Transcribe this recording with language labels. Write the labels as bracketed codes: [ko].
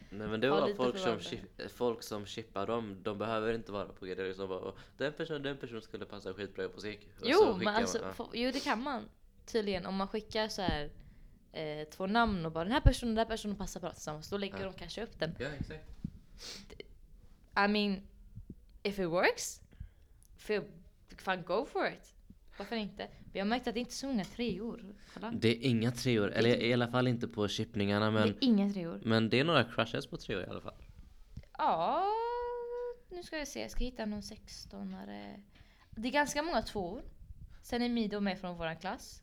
[sv] Nej, men det var folk som chippar dem, de behöver inte vara på G. Det är liksom bara, den person skulle passa skitbra på sig. Jo, men alltså, det kan man tydligen. Om man skickar så här, 2 namn och bara den här personen passar bra tillsammans, då lägger de kanske upp den. Ja, exakt. [en] I mean, if it works, fan go for it. [sv] Varför inte? Vi har märkt att det inte är så många treor. Det är inga treor. Eller i alla fall inte på chippningarna. Men, det är inga treor. Men det är några crushes på treor i alla fall. Ja, nu ska jag se. Jag ska hitta någon 16-are. Det är ganska många tvåor. Sen är Mido med från våran klass.